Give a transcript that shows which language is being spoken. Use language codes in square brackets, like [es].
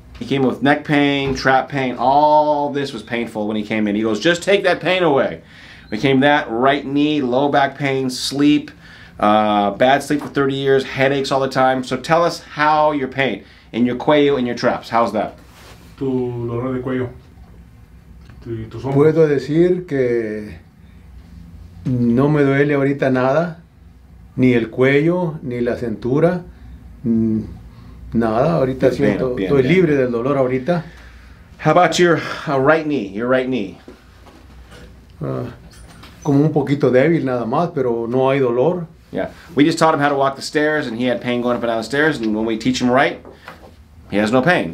[en] He came with neck pain, trap pain, all this was painful when he came in. He goes, just take that pain away. We came that, right knee, low back pain, sleep, bad sleep for 30 years, headaches all the time. So tell us how your pain, in your cuello and your traps, how's that? [es] Tu dolor de cuello. Puedo decir que no me duele ahorita nada, ni el cuello, ni la cintura, nada, ahorita bien, siento, bien, estoy bien, libre bien. Del dolor ahorita. [en] How about your right knee? [es] Como un poquito débil nada más, pero no hay dolor. [en] Yeah, we just taught him how to walk the stairs and he had pain going up and down the stairs, and when we teach him right, he has no pain.